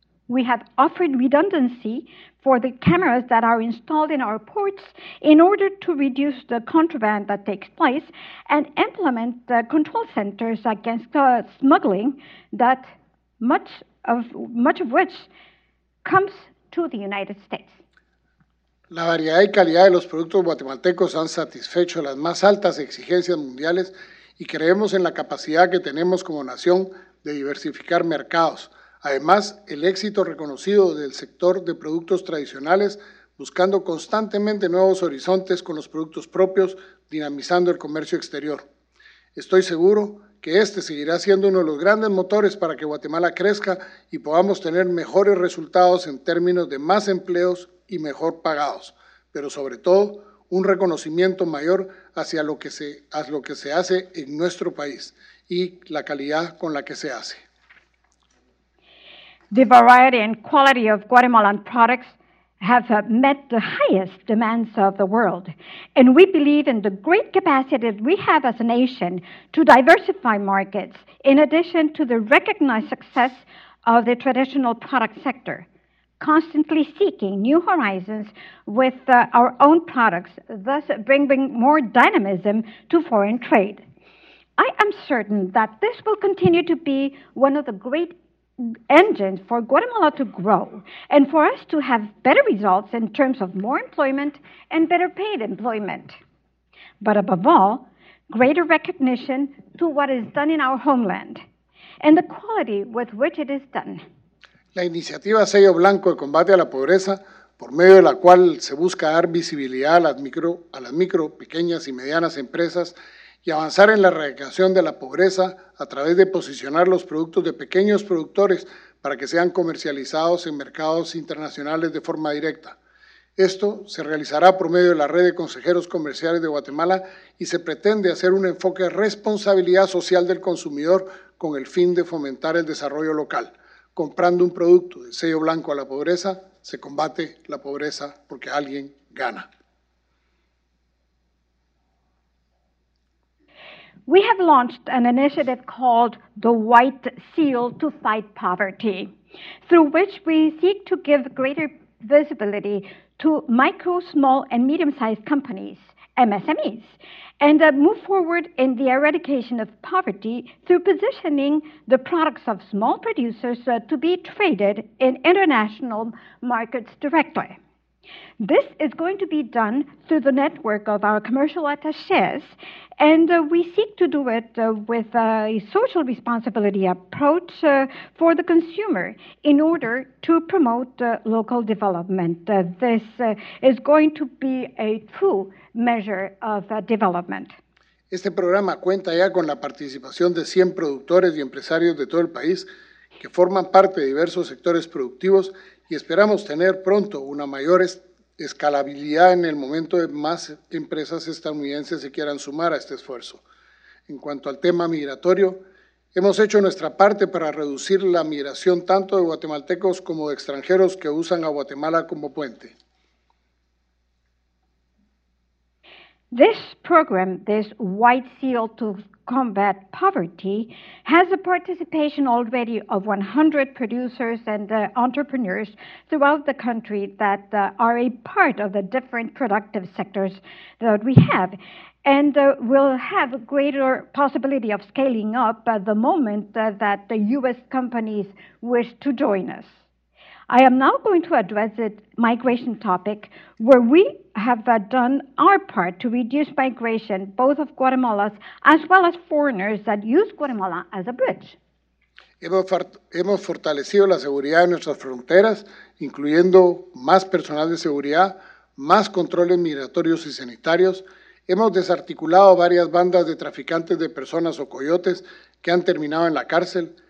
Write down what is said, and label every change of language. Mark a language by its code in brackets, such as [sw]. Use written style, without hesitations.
[en] We have offered redundancy for the cameras that are installed in our ports in order to reduce the contraband that takes place and implement the control centers against smuggling that much of which comes to the United States. [es] La variedad y calidad de los productos guatemaltecos han satisfecho las más altas exigencias mundiales y creemos en la capacidad que tenemos como nación de diversificar mercados. Además, el éxito reconocido del sector de productos tradicionales, buscando constantemente nuevos horizontes con los productos propios, dinamizando el comercio exterior. Estoy seguro que este seguirá siendo uno de los grandes motores para que Guatemala crezca y podamos tener mejores resultados en términos de más empleos y mejor pagados, pero sobre todo, un reconocimiento mayor hacia lo que se hace en nuestro país y la calidad con la que se hace. [en] The variety and quality of Guatemalan products have met the highest demands of the world, and we believe in the great capacity that we have as a nation to diversify markets in addition to the recognized success of the traditional product sector, constantly seeking new horizons with our own products, thus bringing more dynamism to foreign trade. I am certain that this will continue to be one of the great engines for Guatemala to grow and for us to have better results in terms of more employment and better paid employment. But above all, greater recognition to what is done in our homeland and the quality with which it is done. [es] La iniciativa Sello Blanco de Combate a la Pobreza, por medio de la cual se busca dar visibilidad a las micro, pequeñas y medianas empresas, y avanzar en la erradicación de la pobreza a través de posicionar los productos de pequeños productores para que sean comercializados en mercados internacionales de forma directa. Esto se realizará por medio de la Red de Consejeros Comerciales de Guatemala y se pretende hacer un enfoque de responsabilidad social del consumidor con el fin de fomentar el desarrollo local. Comprando un producto de Sello Blanco a la Pobreza, se combate la pobreza porque alguien gana. [en] We have launched an initiative called the White Seal to Fight Poverty, through which we seek to give greater visibility to micro, small, and medium-sized companies, MSMEs, and move forward in the eradication of poverty through positioning the products of small producers to be traded in international markets directly. This is going to be done through the network of our commercial attachés, and we seek to do it with a social responsibility approach for the consumer in order to promote local development. This is going to be a true measure of development. [es] Este programa cuenta ya con la participación de 100 productores y empresarios de todo el país que forman parte de diversos sectores productivos y esperamos tener pronto una mayor escalabilidad en el momento de más empresas estadounidenses se quieran sumar a este esfuerzo. En cuanto al tema migratorio, hemos hecho nuestra parte para reducir la migración tanto de guatemaltecos como de extranjeros que usan a Guatemala como puente. [en] This program, this White Seal to Combat Poverty, has the participation already of 100 producers and entrepreneurs throughout the country that are a part of the different productive sectors that we have, and will have a greater possibility of scaling up at the moment that the U.S. companies wish to join us. I am now going to address the migration topic, where we have done our part to reduce migration, both of Guatemalans as well as foreigners that use Guatemala as a bridge. [es] Hemos fortalecido la seguridad de nuestras fronteras, incluyendo más personal de seguridad, más controles migratorios y sanitarios. Hemos desarticulado varias bandas de traficantes de personas o coyotes que han terminado en la cárcel.